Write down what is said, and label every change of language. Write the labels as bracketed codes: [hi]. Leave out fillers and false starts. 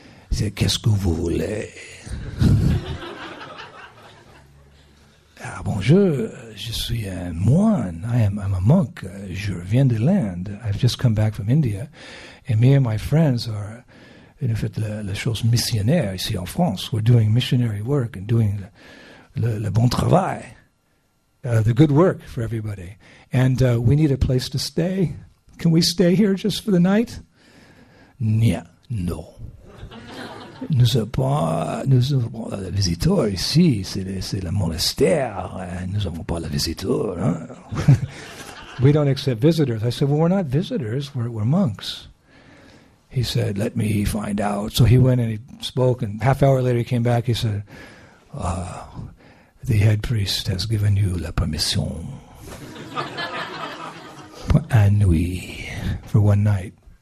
[en] He said, [fr] "Qu'est-ce que vous voulez?" "Ah, bonjour, je suis un moine. [en] I'm a monk. [fr] Je viens de l'Inde. [en] I've just come back from India. And me and my friends are, in effect, [fr] la chose missionnaire ici en France. [en] We're doing missionary work and doing [fr] le bon travail, [en] the good work for everybody. And we need a place to stay. Can we stay here just for the night?" "Yeah, no. [fr] Nous n'avons pas de visiteurs ici. C'est le monastère. Nous n'avons pas de visiteurs." Hein? [en] "We don't accept visitors." I said, "Well, we're not visitors. We're monks." He said, "Let me find out." So he went and he spoke, and half hour later he came back. He said, "The head priest has given you [fr] la permission pour un nuit, [en] for one night.